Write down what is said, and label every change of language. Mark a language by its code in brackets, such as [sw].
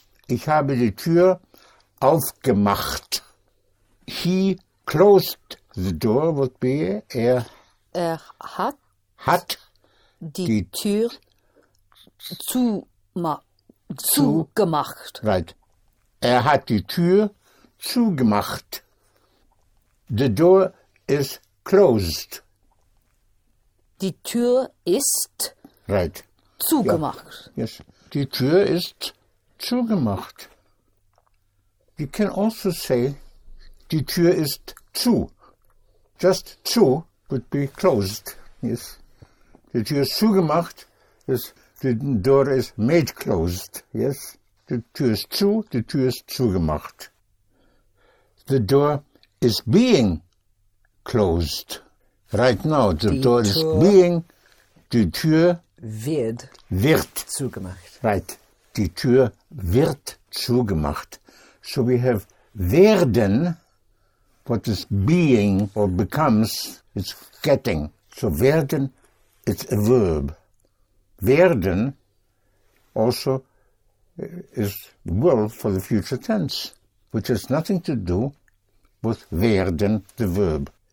[de] Ich habe die Tür aufgemacht. [en] He closed the door, would be? [de] Er hat die Tür zugemacht. [en] Right. [de] Er hat die Tür zugemacht. [en] The door is closed. [de] Die Tür ist [en] right. [de] Zugemacht. Ja. [en] Yes. [de] Die Tür ist zugemacht. [en] You can also say, [de] die Tür ist zu. [en] Just zu would be closed. Yes. [de] Die Tür ist zugemacht ist. [en] The door is made closed, yes? [de] The Tür ist zu, the Tür ist zugemacht. [en] The door is being closed. Right now, the door is being, [de] die Tür wird zugemacht. Right, die Tür wird zugemacht. [en] So we have werden, what is being or becomes, it's getting. So werden, it's a verb. Werden also is will for the future tense, which has nothing to do with werden, the verb.